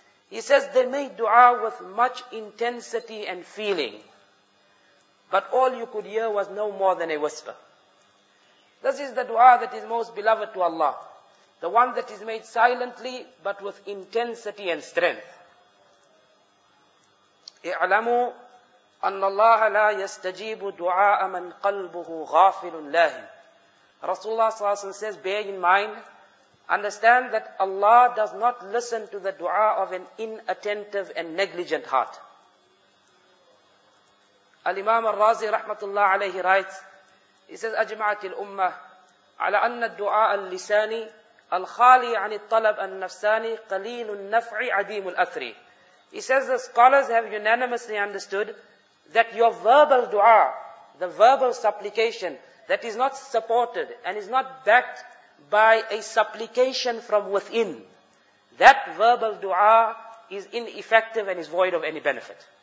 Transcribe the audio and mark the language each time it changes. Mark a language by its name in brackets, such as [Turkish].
[English] He says they made dua with much intensity and feeling, but all you could hear was no more than a whisper. This is the dua that is most beloved to Allah, the one that is made silently but with intensity and strength. [Arabic] اعلموا أن الله لا يستجيب دعاء من قلبه غافل لاه. [English] Rasulullah صلى الله عليه وسلم says, bear in mind, understand that Allah does not listen to the dua of an inattentive and negligent heart. Al-Imam al-Razi rahmatullah alayhi writes, he says, [Arabic] أجمعت الأمة على أن الدعاء اللساني الخالي عن الطلب النفساني قليل النفع عديم الأثر. [English] He says, the scholars have unanimously understood that your verbal dua, the verbal supplication that is not supported and is not backed by a supplication from within, that verbal dua is ineffective and is void of any benefit.